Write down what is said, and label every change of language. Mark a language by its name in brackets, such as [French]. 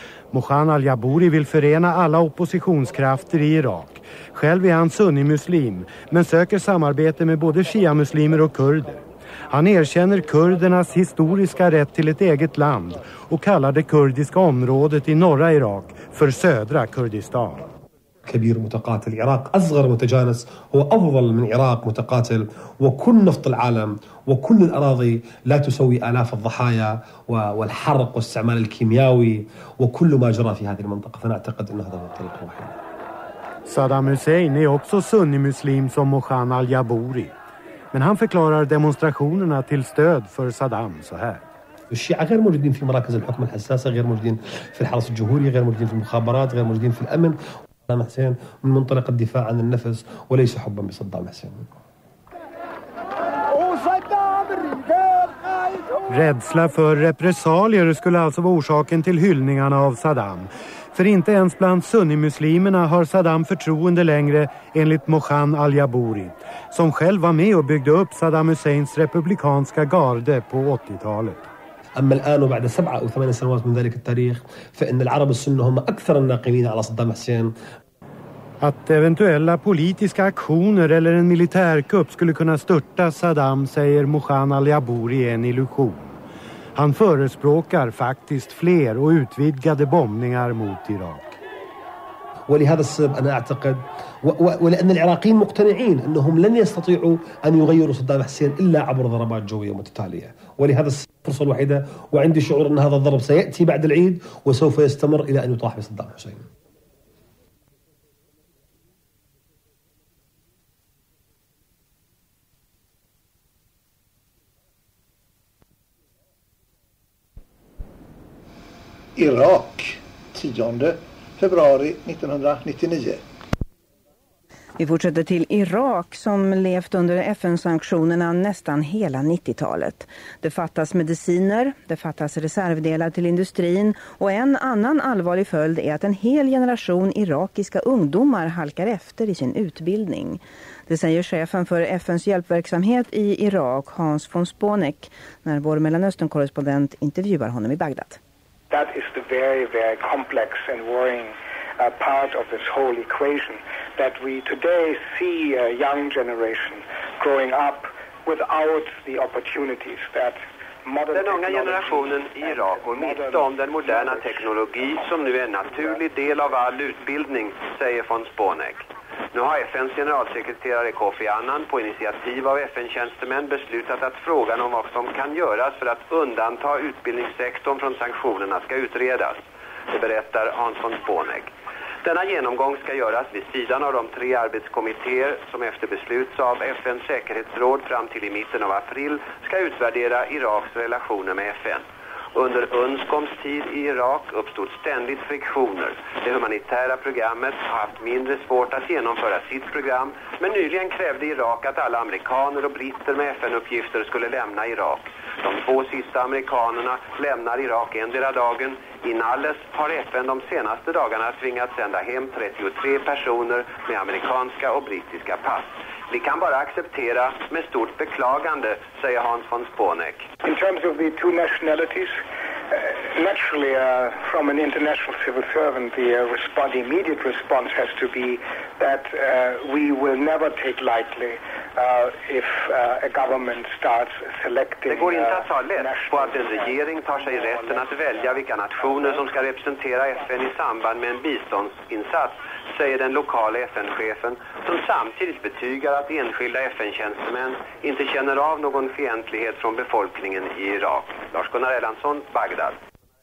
[Swedish] Mohan al-Jaburi vill förena alla oppositionskrafter i Irak. Själv är han sunnimuslim, men söker samarbete med både shia-muslimer och kurder. Han erkänner kurdernas historiska rätt till ett eget land och kallar det kurdiska området i norra Irak för södra Kurdistan. [Arabic] كبير متقاتل العراق اصغر متجانس هو افضل من العراق متقاتل وكل نفط العالم وكل الاراضي لا تسوي الاف الضحايا والحرق والاستعمال الكيميائي وكل ما جرى في هذه المنطقه فانا اعتقد ان هذا هو الطريق الوحيد. [Swedish] Saddam Hussein är också sunni muslim som Mohan al-Jaburi. Men han förklarar demonstrationerna till stöd för Saddam så här. [Arabic] الشيعة غير موجودين في مراكز الحكم الحساسة، غير موجودين في الحرس الجهوري، غير موجودين في المخابرات، غير موجودين في الأمن. صدام حسين من منطلق الدفاع عن النفس وليس حبا بصدام حسين. [Swedish] Rädsla för repressalier skulle alltså vara orsaken till hyllningarna av Saddam. För inte ens bland sunnimuslimerna har Saddam förtroende längre, enligt Mohan al-Jaburi, som själv var med och byggde upp Saddam Husseins republikanska garde på 80-talet. [Arabic] أما الآن وبعد 7 أو 8 سنوات من ذلك التاريخ فإن العرب السنة هم أكثر الناقمين على صدام حسين. [Swedish] Att eventuella politiska aktioner eller en militärkupp skulle kunna störta Saddam, säger Mohan al-Jaburi, är en illusion. Han förespråkar faktiskt fler och utvidgade bombningar mot Irak. [Arabic] ولهذا السبب انا اعتقد ولان العراقيين مقتنعين انهم لن يستطيعوا ان يغيروا صدام حسين الا عبر ضربات جويه متتاليه ولهذا الفرصه الوحيده وعندي شعور ان هذا الضرب سياتي بعد العيد وسوف يستمر الى ان يطاح بصدام حسين. [Swedish] den Irak 10 februari 1999. Vi fortsätter till Irak som levt under FN-sanktionerna nästan hela 90-talet. Det fattas mediciner, det fattas reservdelar till industrin och en annan allvarlig följd är att en hel generation irakiska ungdomar halkar efter i sin utbildning. Det säger chefen för FNs hjälpverksamhet i Irak, Hans von Sponek, när vår Mellanöstern-korrespondent intervjuar honom i Bagdad. [English] That is the very, very complex and worrying part of this whole equation that we today see a young generation growing up without the opportunities that [Swedish] den unga generationen i Irak går miste om den moderna teknologi som nu är en naturlig del av all utbildning, säger von Sponek. Nu har FNs generalsekreterare Kofi Annan på initiativ av FN-tjänstemän beslutat att frågan om vad som kan göras för att undanta utbildningssektorn från sanktionerna ska utredas. Det berättar Hans von Sponek. Denna genomgång ska göras vid sidan av de tre arbetskommittéer som efter beslut av FNs säkerhetsråd fram till i mitten av april ska utvärdera Iraks relationer med FN. Under UNSCOM:s tid i Irak uppstod ständigt friktioner. Det humanitära programmet har haft mindre svårt att genomföra sitt program, men nyligen krävde Irak att alla amerikaner och britter med FN-uppgifter skulle lämna Irak. De två sista amerikanerna lämnar Irak endera dagen. Inalles har FN de senaste dagarna tvingats sända hem 33 personer med amerikanska och brittiska pass. Vi kan bara acceptera med stort beklagande, säger Hans von Sponek. [English] In terms of the two nationalities, naturally from an international civil servant, the immediate response has to be that we will never take lightly if a government starts selecting. [Swedish] Det går inte att ta lätt på att en regering tar sig rätten att välja vilka nationer som ska representera FN i samband med en biståndsinsats, säger den lokala FN-chefen, som samtidigt betygar att enskilda FN-tjänstemän inte känner av någon fientlighet från befolkningen i Irak. Lars Gunnar Erlandsson, Bagdad.